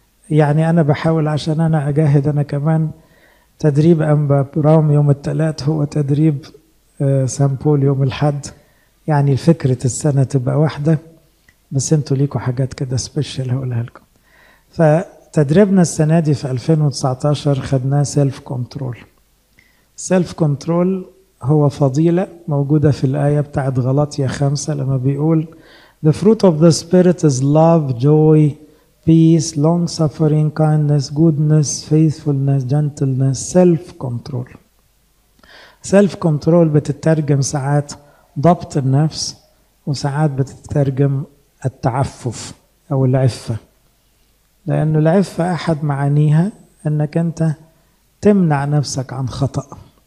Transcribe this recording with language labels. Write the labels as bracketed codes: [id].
[ar] يعني أنا بحاول عشان أنا أجاهد، أنا كمان تدريب أنباء روم يوم الثلاث هو تدريب سان بول يوم الحد، يعني فكرة السنة تبقى واحدة، بس أنتوا ليكوا حاجات كده سبيشال هقولها لكم. فتدريبنا السنة دي في 2019 خدناه سيلف كنترول. سيلف كنترول هو فضيلة موجودة في الآية بتاعت غلاطية 5 لما بيقول [en] The fruit of the spirit is love, joy, peace, long suffering, kindness, goodness, faithfulness, gentleness, self-control. [ar] Self-control بتترجم ساعات ضبط النفس، وساعات بتترجم التعفف أو العفة، لأنه العفة أحد معانيها أنك أنت تمنع نفسك عن خطأ.